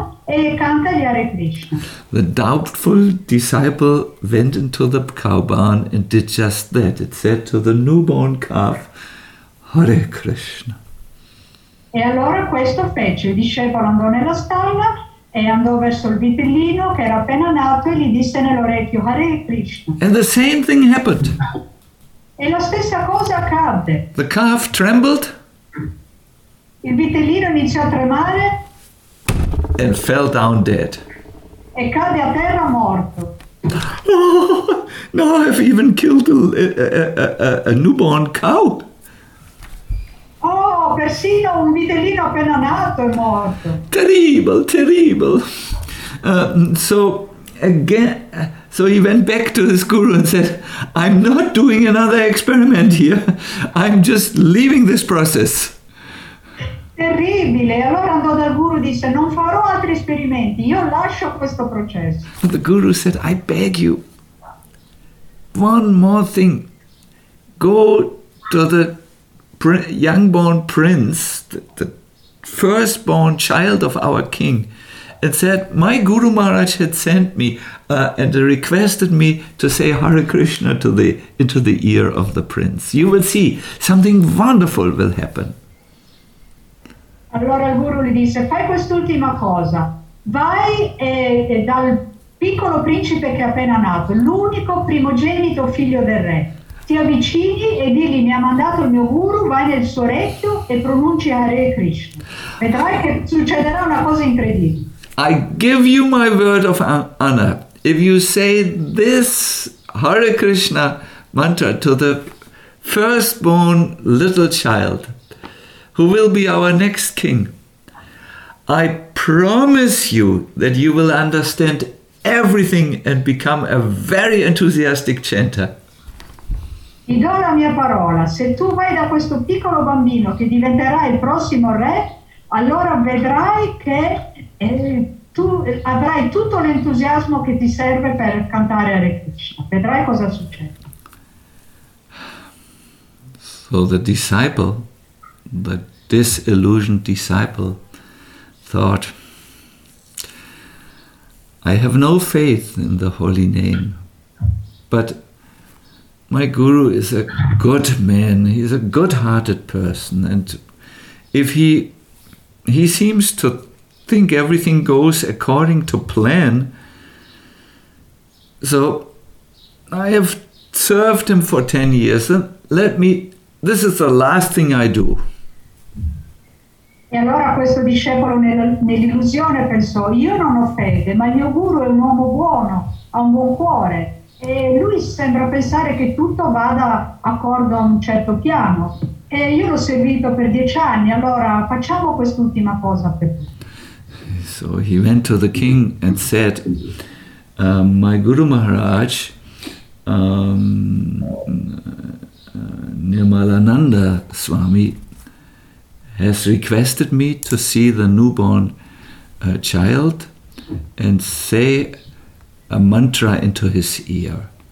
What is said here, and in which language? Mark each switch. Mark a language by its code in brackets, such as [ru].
[en] The doubtful disciple went into the cow barn and did just that. It said to the newborn calf, Hare Krishna. [it] E allora questo fece. Il discepolo andò nella stalla e andò verso il vitellino che era appena nato e gli disse nell'orecchio, Hare Krishna. [en] And the same thing happened. [it] E la stessa cosa accadde. [en] The calf trembled. [it] Il vitellino iniziò a tremare. [en] And fell down dead. [it] E cadde a terra morto. [en] Oh, now I've even killed a newborn cow. [it] Oh, persino un vitellino appena nato è morto. [en] Terrible, terrible. So he went back to his guru and said, I'm not doing another experiment here. I'm just leaving this process. [it] Terribile. Allora andò dal guru e disse, non farò altri esperimenti, io lascio questo processo. [en] The guru said, I beg you, one more thing, go to the young born prince, the first born child of our king, and said, my Guru Maharaj had sent me and requested me to say Hare Krishna into the ear of the prince. You will see, something wonderful will happen. [it] Allora il guru gli disse, fai quest'ultima cosa, vai e dal piccolo principe che è appena nato, l'unico primogenito figlio del re, ti avvicini e digli: mi ha mandato il mio guru, vai nel suo orecchio e pronunci Hare Krishna. Vedrai che succederà una cosa incredibile. [en] I give you my word of honor. If you say this Hare Krishna mantra to the firstborn little child, who will be our next king, I promise you that you will understand everything and become a very enthusiastic chanter. [it] Ti do la mia parola, se tu vai da questo piccolo bambino che diventerà il prossimo re, allora vedrai che tu avrai tutto l'entusiasmo che ti serve per cantare Hare Krishna. Vedrai cosa succede. [en] So the disciple, the disillusioned disciple, thought, I have no faith in the holy name, but my guru is a good man, he's a good-hearted person, and if he seems to think everything goes according to plan, so I have served him for 10 years, and this is the last thing I do. [it] E allora questo discepolo nell'illusione pensò: io non ho fede, ma il mio guru è un uomo buono, ha un buon cuore, e lui sembra pensare che tutto vada accordo a un certo piano, e io l'ho servito per 10 anni, allora facciamo quest'ultima cosa per lui. [en] So he went to the king and said, my guru Maharaj, Nirmalananda Swami has requested me to see the newborn child and say a mantra into his ear.